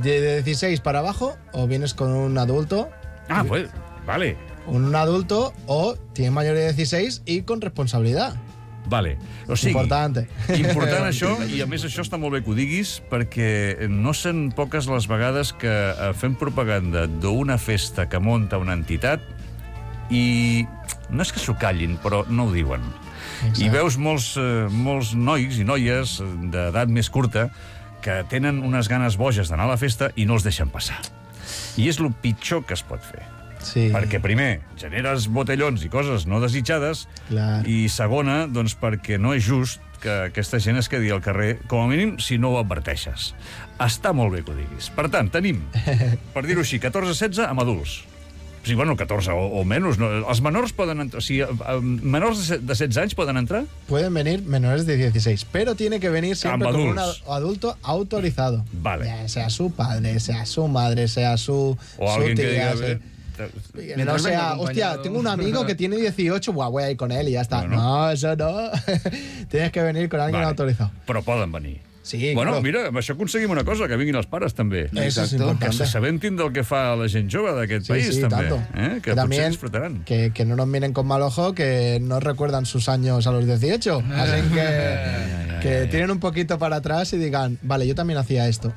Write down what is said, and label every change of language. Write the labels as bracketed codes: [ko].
[es] De 16 para abajo, o vienes con un adulto... Ah, pues, vale. Un adulto, o tienes mayor de 16 y con responsabilidad. [ca] Vale. O sigui, important això, i a més això està molt bé que ho diguis, perquè no són poques les vegades que fem propaganda d'una festa que munta una entitat i no és que s'ho callin, però no ho diuen. Exacte. I veus molts nois i noies d'edat més curta que tenen unes ganes boges d'anar a la festa i no els deixen passar. I és el pitjor que es pot fer. Sí. Perquè, primer, generes botellons i coses no desitjades. Clar. I, segona, doncs perquè no és just que aquesta gent es quedi al carrer, com a mínim, si no ho adverteixes. Està molt bé que ho diguis. Per tant, tenim, per dir-ho així, 14-16 amb adults. Sí, bueno, 14 o menys. No? Els menors poden entrar... O sigui, menors de 16 anys poden entrar? [es] Pueden venir menores de 16, pero tiene que venir siempre con un adulto autorizado. Vale. Sea su padre, sea su madre, sea su tía... O su alguien tía, que diga... Sea... No sea, hostia, tengo un amigo que tiene 18, buah, voy a ir con él y ya está. Bueno. No, eso no. Tienes que venir con alguien, vale, autorizado. [ca] Però poden venir. [es] Sí, bueno, claro. [ca] Mira, amb això aconseguim una cosa, que vinguin els pares, també. [es] Exacto. [ca] Que s'assabentin del que fa la gent jove d'aquest país, sí, també. [es] Tanto. [ca] Que potser disfrutaran. [es] Que no nos miren con mal ojo, que no recuerdan sus años a los 18. Así que... Que tienen un poquito para atrás y digan, vale, yo también hacía esto.